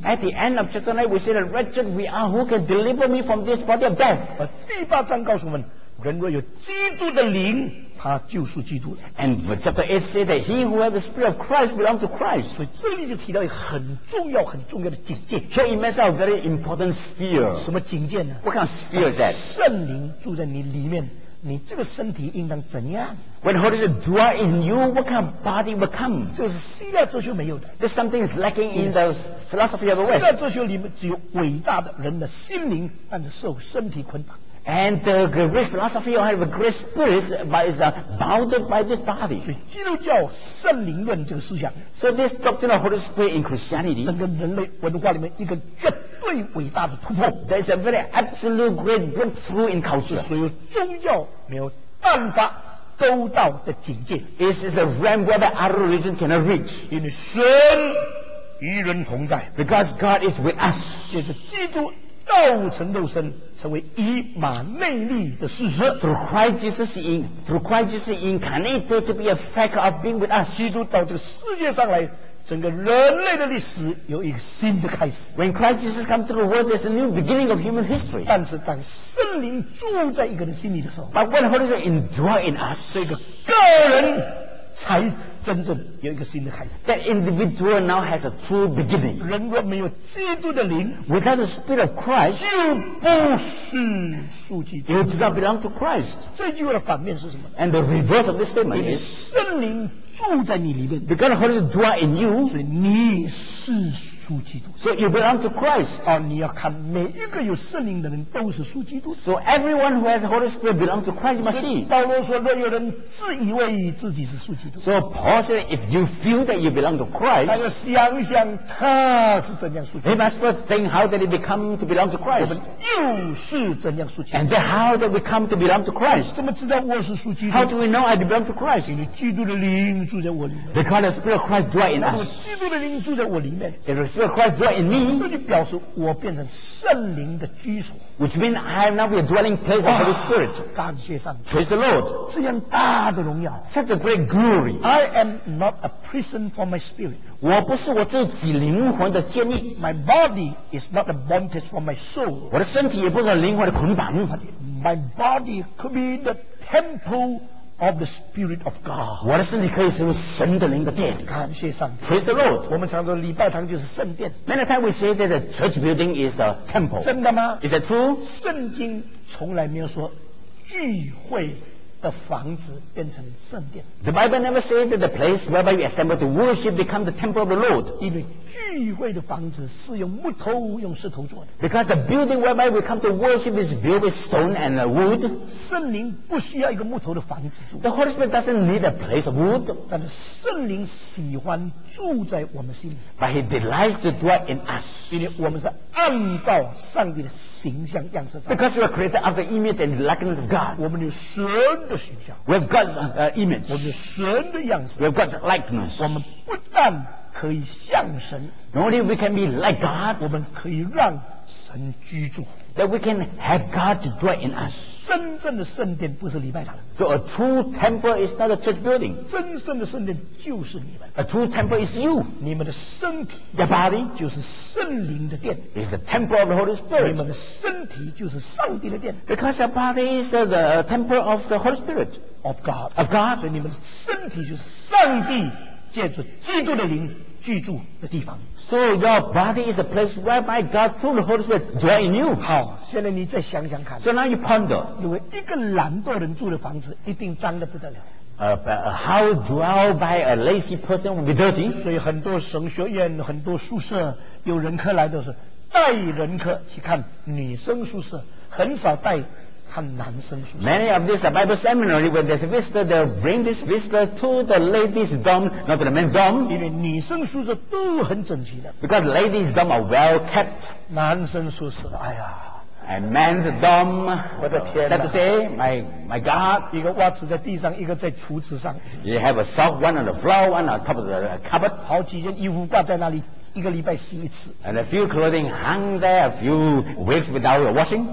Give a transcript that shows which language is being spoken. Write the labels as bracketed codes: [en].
[en] At the end of chapter 9 we say the wretched we are who can deliver me from this body of death [zh] 第八章告诉我们人若有基督的灵他就是基督了 [en] And chapter 8 says that he who has the spirit of Christ belongs to Christ [zh] 所以这里就提到一个很重要很重要的警戒 [en] Here it makes a very important sphere [zh] 什么警戒呢 [en] What kind of sphere is that [zh] 圣灵住在你里面你这个身体应当怎样 [en] When Holy Spirit dwells in you what kind of body will come [zh] 这是希腊哲学没有的 [en] This something is lacking in the philosophy of the West [zh] 希腊哲学里面只有伟大的人的心灵但是受身体捆绑 [en] And the great philosophy or have a great spirit is bounded by this body. [zh] 所以基督教圣灵论这个思想 [en] So this doctrine of Holy Spirit in Christianity [zh] 整个人类文化里面一个绝对伟大的突破 [en] There is a very absolute great breakthrough in culture [zh] 所以宗教没有办法周到的境界。 [en] It is a realm where the other religion cannot reach. [zh] 因为神与人同在。 [en] Because God is with us. [zh] 就是基督道成肉身，成为以马内利的事实。 [en] Through Christ Jesus incarnated to be a fact of being with us. [zh] 基督到这个世界上来。整个人类的历史有一个新的开始。 [en] When Christ Jesus comes to the world, there's a new beginning of human history. [zh] 但是当圣灵住在一个人心里的时候 [en] ，But when Holy Spirit indwells in us, [zh] 这个个人才真正有一个新的开始。 [en] That individual now has a true beginning. [zh] 人若没有基督的灵 [en] ，Without the Spirit of Christ, [zh] 就不是属基督。 [en] You do not belong to Christ. [zh] 这句话的反面是什么 [en] ？And the reverse of this statement is [zh] 圣灵。住在你里面 [en] ，because Holy Spirit dwells in you， [zh] 所以你是属基督。 [en] So you belong to Christ。 [zh] 啊，你要看每一个有圣灵的人都是属基督。 [en] So everyone who has Holy Spirit belongs to Christ must see。 [zh] 保罗说，若有人自以为自己是属基督 [en] ，So Paul said if you feel that you belong to Christ， [zh] 他要想想他是怎样属基督。 [en] He must first think how did he become to belong to Christ。 [zh] 我们又是怎样属基督 [en] ？And then how did we come to belong to Christ？ [zh] 怎么知道我是属基督 [en] ？How do we know I belong to Christ？ [zh] 因为基督的灵。 [en] Because the Spirit of Christ dwells in us. [zh] 基督的灵住在我里面。 [en] If the Spirit of Christ dwells in me, [zh] 这就表示我变成圣灵的居所。 [en] Which means I am now a dwelling place of the Spirit. [zh] 感谢上帝。 [en] Praise the Lord. [zh] 这样大的荣耀。 [en] Such a great glory. I am not a prison for my spirit. [zh] 我不是我自己灵魂的监狱。 [en] My body is not a bondage for my soul. [zh] 我的身体也不是灵魂的捆绑。 [en] My body could be the temple. Of the Spirit of God， [zh] 我的身体可以成为神的灵的殿。感谢上帝。 [en] Praise the Lord。 [zh] 我们常说礼拜堂就是圣殿。 [en] Many times we say that the church building is a temple。 [zh] 真的吗 [en] ？Is that true？ [zh] 圣经从来没有说聚会的房子变成圣殿。 [en] The Bible never said that the place whereby you assemble to worship become the temple of the Lord。 [zh] 因为聚会的房子是用木头、用石头做的。 [en] Because the building whereby we come to worship is built with stone and wood。 [zh] 圣灵不需要一个木头的房子住。 [en] The Holy Spirit doesn't need a place of wood。 [zh] 但是圣灵喜欢住在我们心里。 [en] But He delights to dwell in us。 [zh] 因为我们是按照上帝的形象样式。 [en] Because we are created after image and likeness of God。 [zh] 我们有神的形象。 [en] We have God's image。 [zh] 我们有神的样式。 [en] We have God's likeness。 [zh] 我们不但可以像神 [en] ，Not only we can be like God， [zh] 我们可以让神居住 [en] ，That we can have God to dwell in us。 [zh] 真正的圣殿不是礼拜堂 [en] ，So a true temple is not a church building。 [zh] 真正的圣殿就是你们 [en] ，A true temple is you。 [zh] 你们的身体 [en] ，Your body [zh] 就是圣灵的殿 [en] ，Is the temple of the Holy Spirit。 [zh] 你们的身体就是上帝的殿 [en] ，Because your body is the temple of the Holy Spirit of God。 Of God， [zh] 所以你们的身体就是上帝。借着基督的灵居住的地方。 [en] So your body is a place whereby God through the Holy Spirit dwells in you。 [zh] 好，现在你再想想看。 [en] So now you ponder。 [zh] 因为一个懒惰人住的房子一定脏得不得了。 [en] A house dwelled by a lazy person will be dirty。 [zh] 所以很多神学院、很多宿舍有人客来都是带人客去看女生宿舍，很少带。 [en] Many of these Bible seminary when there's a visitor, they bring this visitor to the ladies' dorm, not to the men's dorm. [zh] 因为女生宿舍都很整齐的。 [en] Because ladies' dorm are well kept. [zh] 男生宿舍，哎呀。 [en] And men's dorm. [zh] 我的天哪。 [en] Sad to say, my God. [zh] 一个袜子在地上，一个在橱子上。 [en] You have a sock, one on the floor, one on top of the cupboard. [zh] 好几件衣服挂在那里。一个礼拜洗一次。 [en] And a few clothing hung there a few weeks without washing.